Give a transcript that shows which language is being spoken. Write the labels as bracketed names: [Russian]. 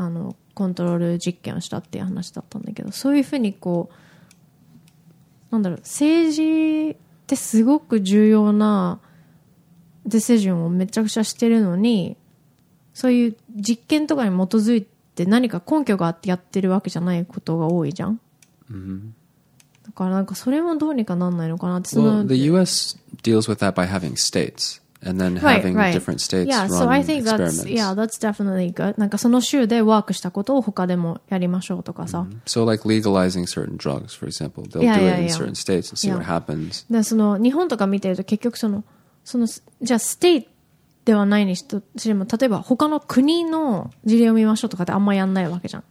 [Japanese] あのコントロール実験をしたっていう話だったんだけど、そういうふうにこうなんだろう、政治ってすごく重要なディセジョンをめちゃくちゃしてるのに、そういう実験とかに基づいて何か根拠があってやってるわけじゃないことが多いじゃん、うん、だからなんかそれもどうにかなんないのかなって、その、 [English] well, the USdeals with that by having states and then having right, right. different states yeah, so I think experiments. That's, yeah, that's definitely good. [Japanese] なんかその州でワークしたことを他でもやりましょうとかさ。 Mm-hmm. [English] So like legalizing certain drugs, for example. They'll yeah, do yeah, it in yeah. certain states and see、yeah. what happens. [Japanese] でその日本とか見てると結局その、じゃあステイではないにしても、例えば他の国の事例を見ましょうとかってあんまやんないわけじゃん。